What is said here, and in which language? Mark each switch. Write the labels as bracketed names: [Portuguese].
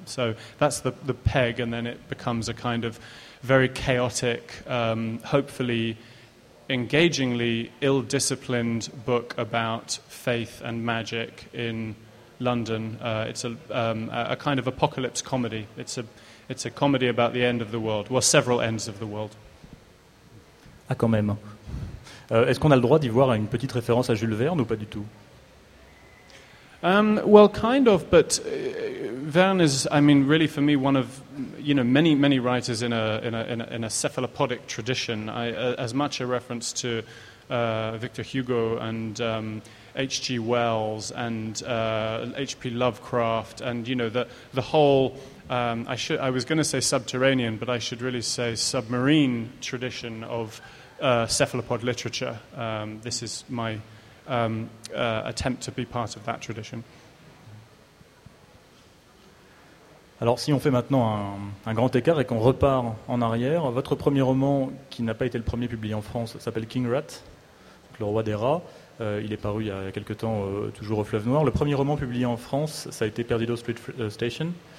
[English] So that's the peg, and then it becomes a kind of very chaotic, hopefully engagingly ill-disciplined book about faith and magic in London. It's a kind of apocalypse comedy. It's a comedy about the end of the world. Well, several ends of the world. [French] Ah, quand même. Est-ce qu'on a le droit d'y voir une petite référence à Jules Verne ou pas du tout? [English] Well, kind of, but Verne is, I mean, really for me one of, you know, many, many writers in a cephalopodic tradition. As much a reference to Victor Hugo and H.G. Wells and H.P. Lovecraft and, you know, the whole... I was going to say subterranean, but I should really say submarine tradition of cephalopod literature. This is my attempt to be part of that tradition. [French] Alors, si on fait maintenant un grand écart et qu'on repart en arrière, votre premier roman, qui n'a pas été le premier publié en France, s'appelle King Rat, donc le roi des rats. Il est paru il y a quelque temps, toujours au Fleuve Noir. Le premier roman publié en France, ça a été Perdido Street Station.